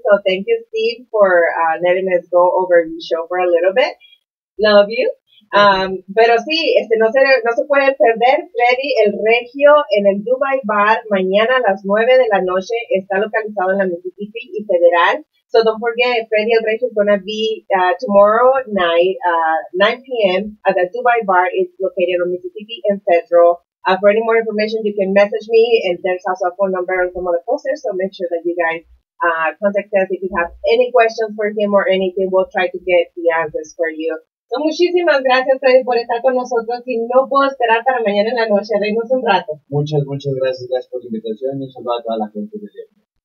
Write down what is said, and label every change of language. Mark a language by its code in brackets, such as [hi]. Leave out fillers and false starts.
[en] So thank you, Steve, for letting us go over your show for a little bit. Love you. [es] Pero sí, no se puede perder Freddy el Regio en el Dubai Bar mañana a las 9 de la noche. Está localizado en la Mississippi y Federal. [en] So don't forget, Freddy el Regio is going to be tomorrow night, 9 p.m. at the Dubai Bar. It's located on Mississippi and Federal. For any more information, you can message me, and there's also a phone number on some of the posters, so make sure that you guys contact us if you have any questions for him or anything. We'll try to get the answers for you. [es] So, muchísimas gracias, Freddy, por estar con nosotros, y no puedo esperar para mañana en la noche. Venimos un rato. Muchas, muchas gracias. Gracias por la invitación y un saludo a toda la gente de Lima.